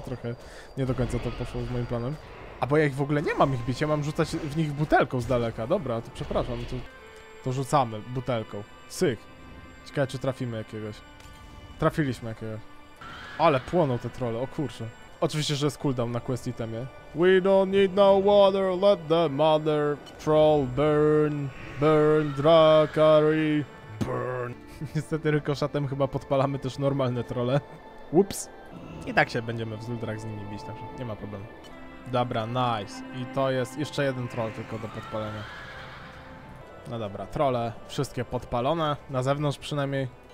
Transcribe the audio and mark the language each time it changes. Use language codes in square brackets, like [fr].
[pl] Trochę nie do końca to poszło z moim planem. A bo ja ich w ogóle nie mam ich bić, ja mam rzucać w nich butelką z daleka. Dobra, to przepraszam, to rzucamy butelką. Syk. Ciekawe, czy trafimy jakiegoś. Trafiliśmy jakiegoś. Ale płoną te trolle, o kurczę. Oczywiście, że jest cooldown na quest itemie. [en] We don't need no water, let the mother troll burn, burn drakari, burn. [pl] Niestety rykoszatem chyba podpalamy też normalne trolle. Ups. I tak się będziemy w zuldrach z nimi bić, także nie ma problemu. Dobra, nice. I to jest jeszcze jeden troll tylko do podpalenia. No dobra, trolle wszystkie podpalone, na zewnątrz przynajmniej.